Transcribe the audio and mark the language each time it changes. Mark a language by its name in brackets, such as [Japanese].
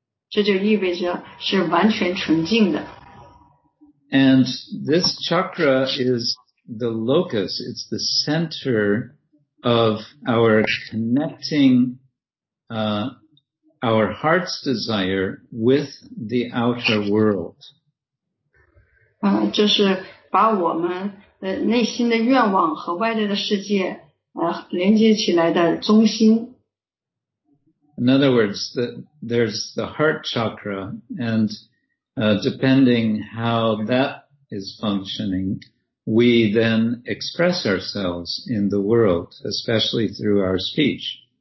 [Chinese] 这就意味着是完全纯净的。 [English] And this chakra is the locus, it's the center of our connecting our heart's desire with the outer world. [Chinese] 就是把我们内心的愿望和外在的世界连接起来的中心。 [English] In other words, there's the heart chakra, and depending how that is functioning, we then express ourselves in the world, especially through our speech.